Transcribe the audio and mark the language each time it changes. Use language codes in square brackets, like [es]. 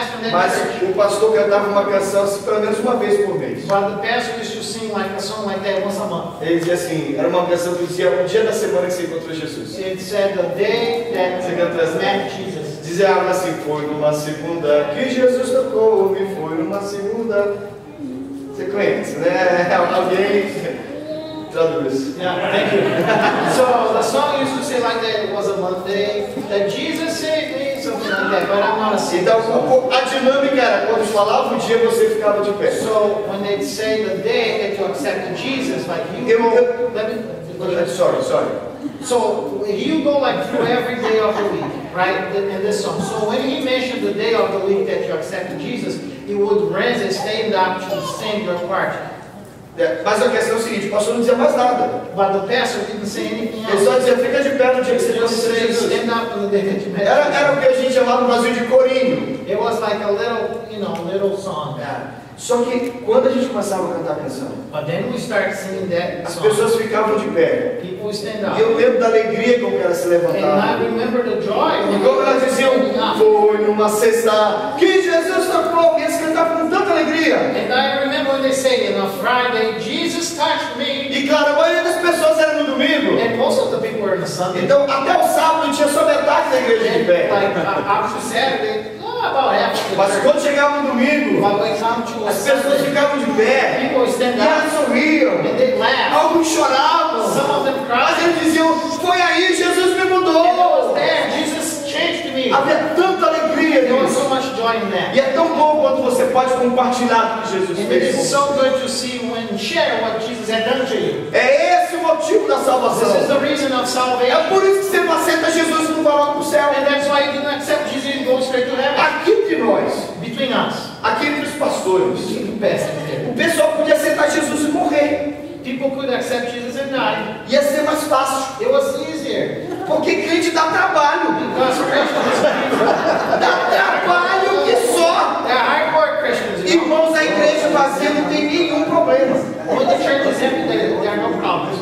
[pt] Mas o pastor cantava uma canção assim, pelo menos uma vez por mês. [en] But the pastor used to sing like a song like that once a month. [pt] Ele dizia assim, era uma canção que dizia um dia da semana que você encontrou Jesus. [en] It said the day that you met Jesus. [pt] Dizia algo assim, foi numa segunda que Jesus tocou, me foi numa segunda. Você conhece, né? Alguém traduz. [en] Yeah, thank you. So the song used to say like that was a Monday that Jesus saved me. [pt] Então a dinâmica era quando falava o dia você ficava de pé. [en] So when they say the day that you accepted Jesus, like you, sorry. So you go like through every day of the week, right? In this song. So when he mentioned the day of the week that you accepted Jesus, he would raise and stand up to stand your part. [pt] Mas a questão é o seguinte, o pastor não dizia mais nada. [en] But the pastor didn't say anything else. [pt] Ele só dizia, fica de pé no dia que você recebeu o Jesus. Era o que a gente chamava no Brasil de corinho. [en] It was like a little, you know, little song. Yeah. [pt] Só que quando a gente começava a cantar a canção, [en] but then we start singing that song, [pt] as pessoas ficavam de pé. [en] People stand up. [pt] E eu lembro da alegria como que ela se levantava. [en] And I remember the joy. [pt] E como elas diziam, foi numa sexta que Jesus tocou. E eles cantavam com tanta alegria. [en] And I remember when they say, in a Friday, Jesus touched me. [pt] E claro, a maioria das pessoas era no domingo. [en] And most of the people were on Sunday. [pt] Então até o sábado tinha só metade da igreja [en] and [pt] de pé. [en] After Saturday. [pt] Mas quando chegava no domingo, as pessoas ficavam de pé, e elas sorriam, alguns choravam, mas eles diziam, foi aí que Jesus me mudou. Havia tanta alegria nisso. E é tão bom quando você pode compartilhar o que Jesus fez. [en] It is so good to see when share what Jesus had done to you. [pt] É esse o motivo da salvação. [en] This is the reason of salvation. [pt] É por isso que você não aceita Jesus e não vai lá para o céu. [en] And that's why you didn't accept Jesus and go straight to heaven. [pt] Aqui entre nós. [en] Between us. [pt] Aqui entre os pastores. [en] Between the pastors. [pt] O pessoal podia aceitar Jesus e morrer. [en] People could accept Jesus and die. [pt] Ia ser mais fácil. [en] It was easier. [pt] Porque crente dá trabalho. Dá trabalho que só. [en] É hardcore Christians. [pt] Irmãos, a igreja vazia não tem nenhum problema. [en] When the church is empty, there are no problems.